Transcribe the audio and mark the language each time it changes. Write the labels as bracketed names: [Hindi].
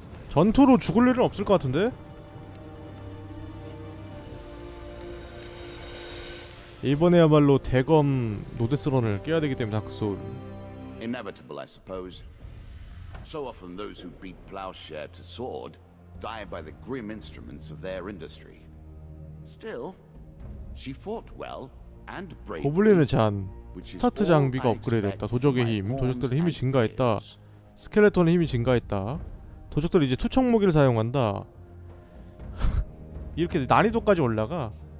[Korean] 전투로 죽을 일은 없을 것 같은데? 이번에야말로 대검 노데스런을 깨야 되기 때문에 다크소울. [English] Inevitable, I suppose. So often those who beat plowshare to sword die by the grim instruments of their industry. Still, she fought well. [Korean] 고블린은 잔 스타트 장비가 업그레이드됐다. 도적의 힘, 도적들의 힘이 증가했다. 스켈레톤의 힘이 증가했다. 도적들은 이제 투척 무기를 사용한다. 이렇게 난이도까지 올라가.